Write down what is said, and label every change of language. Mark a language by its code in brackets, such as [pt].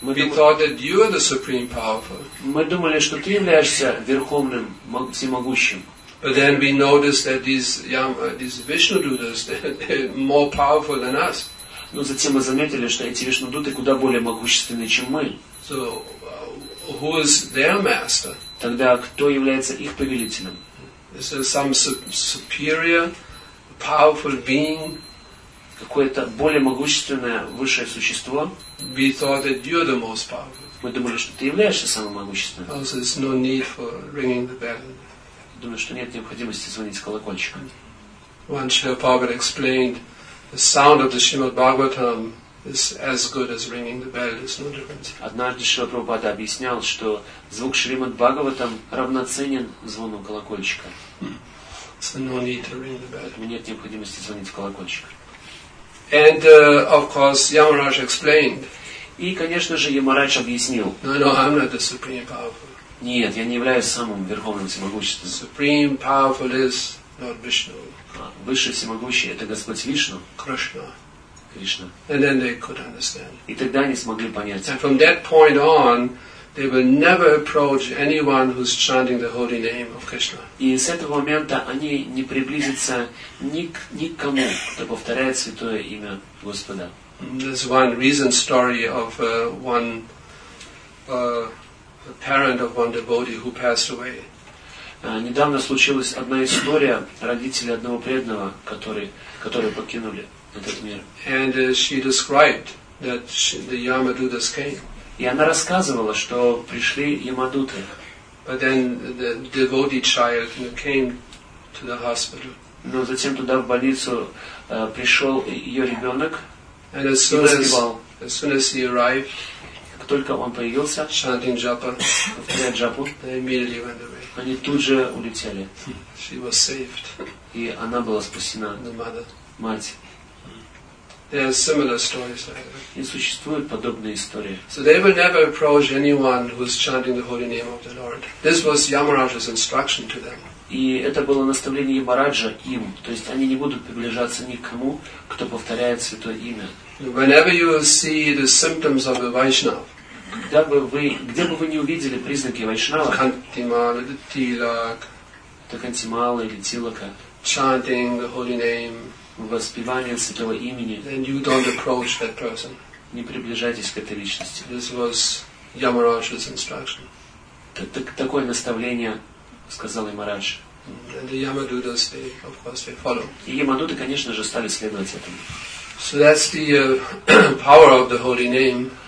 [ru] Мы думали, что ты являешься верховным всемогущим. [en] But then we noticed that these Vishnu Dutas, more powerful than us. [ru] Но затем мы заметили, что эти Вишну Дуты куда более могущественны, чем мы. [en] So who is their master? [ru] Тогда кто является их повелителем? [en] Is there some superior, powerful being? [ru] Какое-то более могущественное высшее существо? [en] We thought that you're the most powerful. [ru] Мы думали, что ты являешься самым могущественным. [en] Also, there's no need for ringing the bell. [ru] Думаю, что нет необходимости звонить колокольчиком. [en] Once Srila Prabhupada explained, the sound of the Srimad Bhagavatam is as good as ringing the bell. There's no difference. [ru] Однажды Шрила Прабхупада объяснял, что звук Шримад Бхагаватам равноценен звону колокольчика. [en] So no need to ring the bell. [ru] Нет необходимости звонить в колокольчик. [en] And of course, Yamaraj explained. [ru] И, конечно же, Ямарадж объяснил. [en] No, I'm not the supreme powerful. [ru] Нет, я не являюсь самым верховным всемогущественным. [en] Supreme powerful is Lord Vishnu. [ru] Высший всемогущий — это Господь Вишну. [en] Krishna. [ru] Кришна. [en] And then they could understand. [ru] И тогда они смогли понять. [en] And from that point on, they will never approach anyone who's chanting the holy name of Krishna. [ru] И с этого момента они не приблизятся никому, кто повторяет святое имя Господа. [en] There's one recent story of one parent of one devotee who passed away. [ru] Недавно случилась одна история родителей одного преданного, которые покинули этот мир. [en] And she described that the Yamadutas came. [ru] И она рассказывала, что пришли Ямадуты. [en] But then the devotee child came to the hospital. [ru] Но затем туда в больницу пришел ее ребенок. [en] And as soon as he arrived, [ru] только он появился, [en] chanting japa, [ru] повторяя джапу, [en] they immediately went away. [ru] Они тут же улетели. [en] She was saved. [ru] И она была спасена. [en] The mother. [ru] Мать. [en] There are similar stories like that. [ru] И существуют подобные истории. [en] So they will never approach anyone who is chanting the holy name of the Lord. This was Yamaraj's instruction to them. [ru] И это было наставление Ямараджа им. То есть они не будут приближаться никому, кто повторяет святое имя. [en] Whenever you see the symptoms of a Vaishnav, [ru] где бы вы не увидели признаки Вайшнава, Кантимала, Тилак, Кантимала или Тилака, [en] chanting the holy name, [ru] воспевание святого имени, [en] then you don't approach that person. [ru] Не приближайтесь к этой личности. [en] This was Yamaraj's instruction. [ru] Такое наставление сказал Ямарадж. [en] And the Yamadutas, they, of course, they follow. [ru] И Ямадуты, конечно же, стали следовать этому. [en] So that's the power of the holy name.